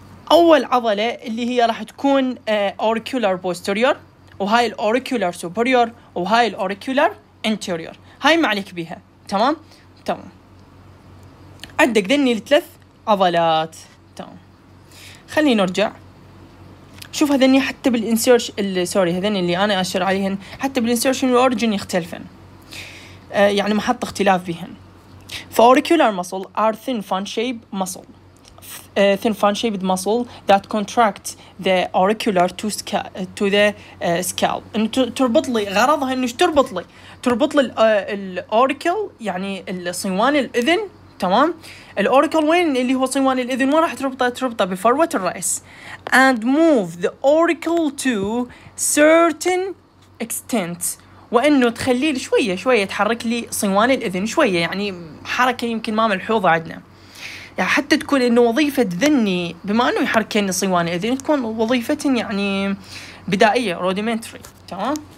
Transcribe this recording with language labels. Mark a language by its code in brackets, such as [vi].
[ar] اول عضله اللي هي راح تكون اوركولار بوستيريور وهاي الاوركولار سوبريور وهاي الاوركولار انتيريور هاي ما عليك بيها تمام تمام عندك ذني الثلاث عضلات تمام خلينا نرجع شوف هذني حتى بالانسيرش سوري هذني اللي انا اشير عليهم حتى بالانسيرش والاوريجن يختلفن يعني محط اختلاف بهن فاوركولار مسل ار ثين فان شيب مسل [en] thin fan-shaped muscle that contracts the auricular to the scalp. [ar] إنه تربط لي غرضها إنه تربط لي الأوركل يعني الصيوان الأذن تمام. الأوركل وين اللي هو صيوان الأذن وين راح تربطه بفروة الرأس and move the auricle to certain extent وإنه تخلي لي شوية شوية تحرك لي صيوان الأذن شوية يعني حركة يمكن ما ملحوظة عندنا يعني حتى تكون إنه وظيفة ذني بما إنه يحركين صيوان الأذن تكون وظيفة يعني بدائية rudimentary تمام.